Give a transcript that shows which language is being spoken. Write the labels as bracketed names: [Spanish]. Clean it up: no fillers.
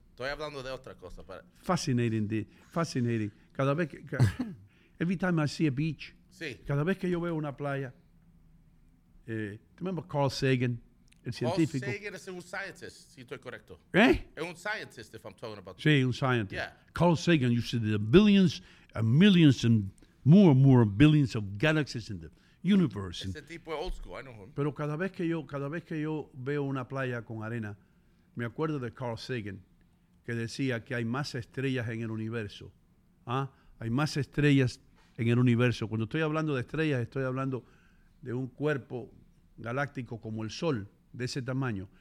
[Spanish] Estoy hablando de otra cosa. Para... [English] Fascinating. [Spanish] Cada vez que... [English] every time I see a beach. [Spanish] Sí. Cada vez que yo veo una playa. [English] Remember Carl Sagan? [Spanish] El científico. Carl Sagan es un scientist, si estoy correcto. ¿Eh? Es un [English] scientist, if I'm talking about. [Spanish] Sí, un scientist. [English] Yeah. Carl Sagan, you see the billions and millions and more billions of galaxies in the universe. [Spanish] Ese tipo es [English] old school, I know him. [Spanish] Pero cada vez que yo veo una playa con arena, me acuerdo de Carl Sagan, que decía que hay más estrellas en el universo. ¿Ah? Hay más estrellas en el universo. Cuando estoy hablando de estrellas, estoy hablando de un cuerpo galáctico como el Sol, de ese tamaño.